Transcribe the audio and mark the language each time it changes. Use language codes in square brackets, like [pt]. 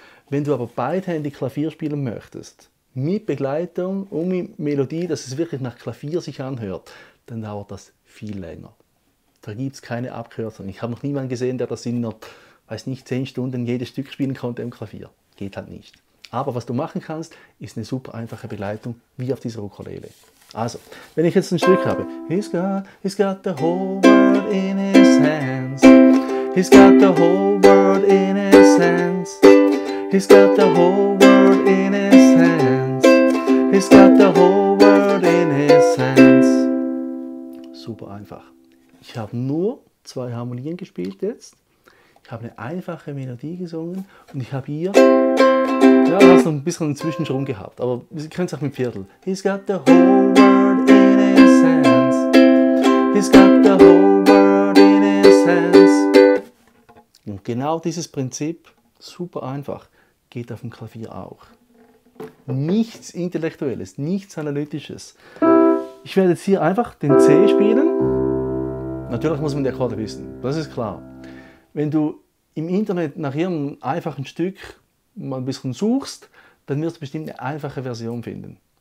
[de] Wenn du aber beidhändig Klavier spielen möchtest, mit Begleitung und mit Melodie, dass es wirklich nach Klavier sich anhört, dann dauert das viel länger. Da gibt es keine Abkürzung. Ich habe noch niemanden gesehen, der das in nur, weiß nicht, 10 Stunden jedes Stück spielen konnte im Klavier. Geht halt nicht. Aber was du machen kannst, ist eine super einfache Begleitung, wie auf dieser Ukulele. Also, wenn ich jetzt ein Stück habe. [en] He's got the whole world in his hands. He's got the whole world in his hands. He's got the whole world in his hands. He's got the whole world in his hands. [de] Super einfach. Ich habe nur zwei Harmonien gespielt jetzt. Ich habe eine einfache Melodie gesungen und ich habe hier ja, hast du ein bisschen einen Zwischenschrumpf gehabt, aber ihr könnt es auch mit Viertel. [en] He's got the whole world in his hands. He's got the whole world in his hands. [de] Und genau dieses Prinzip, super einfach, geht auf dem Klavier auch. Nichts Intellektuelles, nichts Analytisches. Ich werde jetzt hier einfach den C spielen. Natürlich muss man die Akkorde wissen, das ist klar. Wenn du im Internet nach irgendeinem einfachen Stück mal ein bisschen suchst, dann wirst du bestimmt eine einfache Version finden.